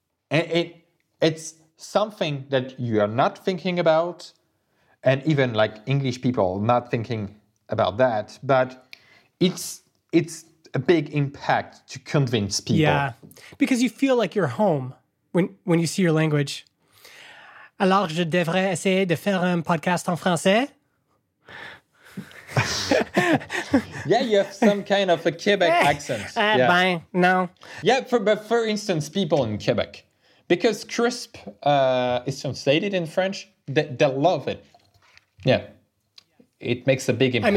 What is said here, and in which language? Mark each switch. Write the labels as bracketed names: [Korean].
[English] And it's something that you are not thinking about, and even like English people not thinking about that, but it's a big impact to convince people. Yeah, because you feel like you're home when you see your language. [French] Alors, je devrais essayer de faire un podcast en français. [English] Yeah, you have some kind of a Quebec accent. Ben, no. Yeah, for instance, people in Quebec. Because CRISP is translated in French, they love it. Yeah, it makes a big impact.